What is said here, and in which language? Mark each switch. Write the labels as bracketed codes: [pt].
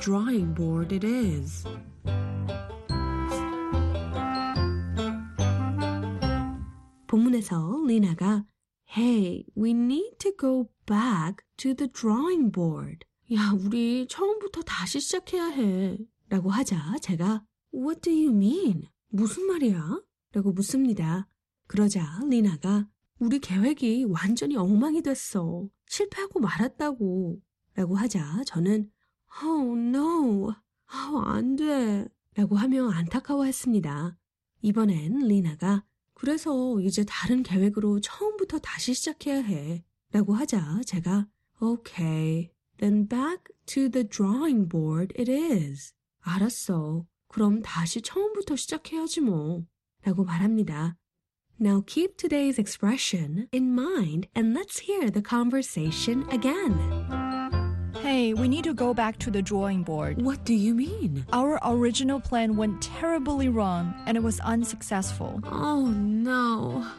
[en] Before we find out what today's expression means, let's listen to a conversation I had with Lena. Listen carefully. Hey, we need to go back to the drawing board. What do you mean? Our original plan went terribly wrong and it was unsuccessful. Oh no. So we have to start all over again with a different plan. Okay, then back to the drawing board it is. Hey, we need to go back to the drawing board. [ko] 야, 우리 처음부터 다시 시작해야 해. 라고 하자 제가 [en] What do you mean? [ko] 무슨 말이야? 라고 묻습니다. 그러자 리나가 우리 계획이 완전히 엉망이 됐어. 실패하고 말았다고. 라고 하자 저는 [en] Oh no. [ko] Oh, 안 돼. 라고 하며 안타까워했습니다. 이번엔 리나가 그래서 이제 다른 계획으로 처음부터 다시 시작해야 해. 라고 하자 제가 [en] Okay, then back to the drawing board it is. [ko] 알았어. 그럼 다시 처음부터 시작해야지 뭐. 라고 말합니다. [en] Now keep today's expression in mind and let's hear the conversation again. Hey, we need to go back to the drawing board. What do you mean? Our original plan went terribly wrong and it was unsuccessful. Oh, no.